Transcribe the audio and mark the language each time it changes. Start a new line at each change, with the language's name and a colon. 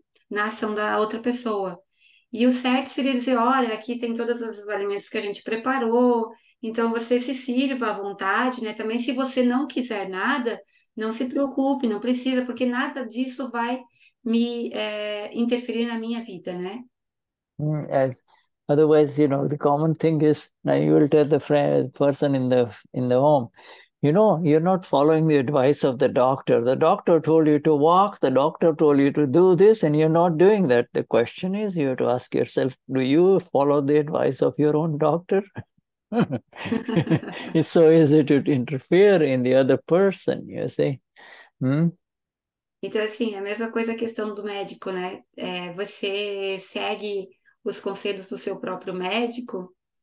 Portuguese: Na ação da outra pessoa. E o certo seria dizer: olha, aqui tem todos os alimentos que a gente preparou, então você se sirva à vontade, né? Também, se você não quiser nada, não se preocupe, não precisa, porque nada disso vai me interferir na minha vida, né?
English: Otherwise, you know, the common thing is now you will tell the friend, person in the home, you know, you're not following the advice of the doctor. The doctor told you to walk, the doctor told you to do this, and you're not doing that. The question is, you have to ask yourself, do you follow the advice of your own doctor? It's so easy to interfere in the other person, you see.
Portuguese: Então, assim, a mesma coisa a questão do médico, né? Você segue os conselhos do seu próprio médico?